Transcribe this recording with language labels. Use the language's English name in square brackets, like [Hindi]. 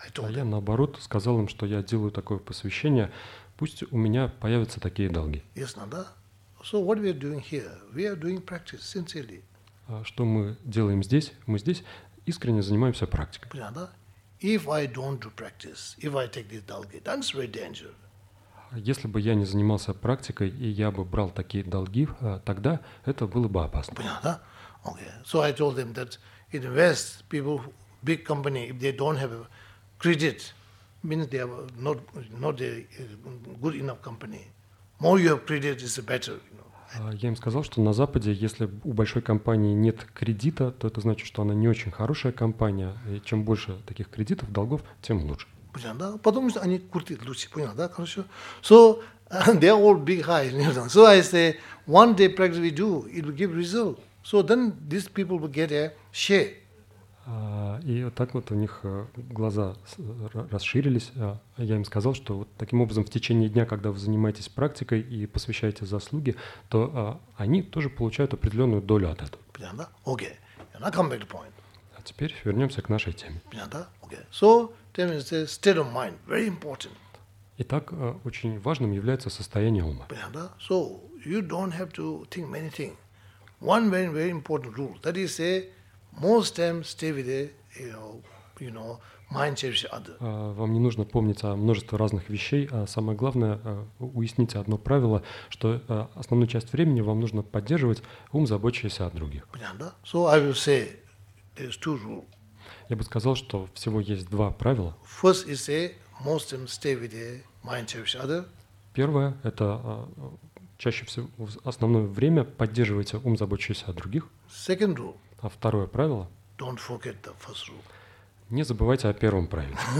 [Russian] Я наоборот сказал им, что я делаю такое посвящение, пусть у меня появятся такие долги. Что мы делаем здесь? Мы здесь искренне занимаемся практикой. [English] If I don't do practice, if I take this dalgi, that's very dangerous. [Russian] Если бы я не занимался практикой и я бы брал такие долги, тогда это было бы опасно. Понял, да? [English] Okay. So I told them that invest people, big company, if they don't have credit, means they are not a good enough company. More you have credit, is better. [Russian] Я им сказал, что на Западе, если у большой компании нет кредита, то это значит, что она не очень хорошая компания. И чем больше таких кредитов, долгов, тем лучше. Понял, да? Потому что они крутят лучше. Понял, да? Хорошо. [English] So, they are all big high. So, I say, one day practice we do, it will give result. So, then these people will get a share. [Russian] И вот так вот у них глаза расширились. Я им сказал, что вот таким образом в течение дня, когда вы занимаетесь практикой и посвящаете заслуги, то они тоже получают определенную долю от этого. Понятно? [English] Okay. And I come back to point. [Russian] А теперь вернемся к нашей теме. Понятно? [English] Okay. So, then it's a state of mind. Very important. [Russian] Итак, очень важным является состояние ума. Понятно? [English] So, you don't have to think many things. One very, very important rule. That is a most time stay with the, you know, mind cherishing other. [Russian] Вам не нужно помнить о множестве разных вещей, а самое главное уясните одно правило, что основную часть времени вам нужно поддерживать ум, заботящийся о других. Понятно, да? [English] So I will say there's two rules. [Russian] Я бы сказал, что всего есть два правила. [English] First is a most time stay with the mind cherishing other. [Russian] Первое – это чаще всего в основное время поддерживайте ум, заботящийся о других. [English] Second rule. [Russian] А второе правило? [English] Don't forget the first rule. [Russian] Не забывайте о первом правиле.